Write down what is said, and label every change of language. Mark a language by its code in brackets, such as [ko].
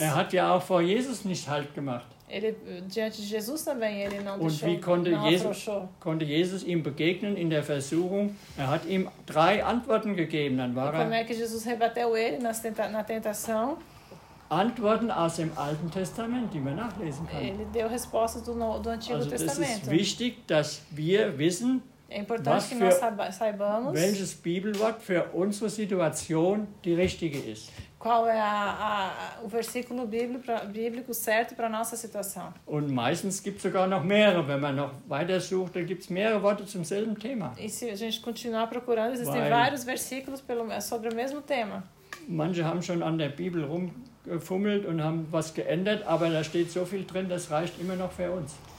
[de] Er hat ja auch vor Jesus nicht halt gemacht. [pt] Ele, diante de Jesus também, ele não [de] Und [pt] deixou, [de] wie konnte [pt] não [de] Jesus, [pt] afrouxou. [de] Konnte Jesus ihm begegnen in der Versuchung? Er hat ihm drei Antworten gegeben, dann war [pt] e como é que Jesus rebateu ele na tentação? [de] Antworten aus dem Alten Testament, die man nachlesen kann. [pt] Ele deu respostas do Antigo [de] also, [pt] Testamento. [de] Es ist wichtig, dass wir wissen, [pt] é importante que nós saibamos [de] welches Bibelwort für unsere Situation die richtige ist. [pt] Qual é o versículo bíblico certo para nossa situação? [de] Und meistens gibt es sogar noch mehrere, wenn man noch weiter sucht, dann gibt es mehrere Worte zum selben Thema. [pt] E se a gente continuar procurando, existem vários versículos sobre o mesmo tema. [de] Manche haben schon an der Bibel rum gefummelt und haben was geändert, aber da steht so viel drin, das reicht immer noch für uns.